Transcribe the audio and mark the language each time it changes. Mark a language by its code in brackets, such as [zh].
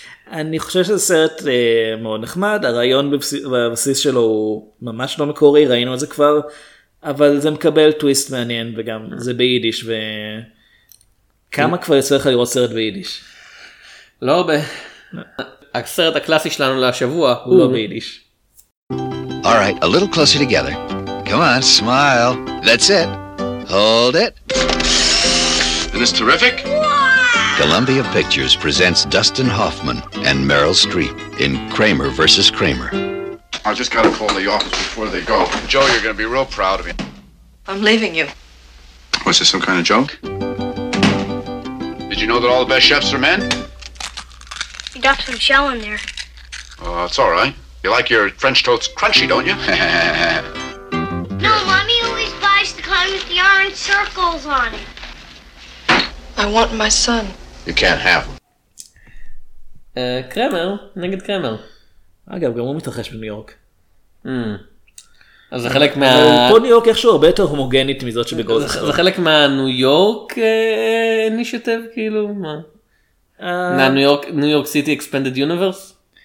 [he] אני חושב שזה סרט מאוד נחמד. הרעיון בבסיס שלו הוא ממש לא מקורי, ראינו את זה כבר. אבל זה מקבל טוויסט מעניין, וגם זה ביידיש ו... כמה כבר יצא לך לראות סרט ביידיש? לא הרבה. הסרט הקלאסי שלנו לשבוע הוא לא ביידיש. [en] All right, a little closer together. Come on, smile. That's it. Hold it. Isn't this terrific? Columbia Pictures presents Dustin Hoffman and Meryl Streep in Kramer versus Kramer. I just gotta call the office before they go. Joe, you're gonna be real proud of me. I'm leaving you. What's this, some kind of joke? Did you know that all the best chefs are men? You got some shell in there. Oh, it's all right. You like your French toast crunchy, don't you? No, Mommy always buys the kind with the orange circles on it. I want my son. You can't have him. [he] קרמר, נגד קרמר. אגב, גם הוא מתרחש בניו יורק. אז זה חלק מה... פה ניו יורק איכשהו הרבה יותר הומוגנית מזאת שבגוזר. זה חלק מהניו יורק אינישטיב, כאילו, מה? מהניו יורק, ניו יורק סיטי אקספנדד יוניברס?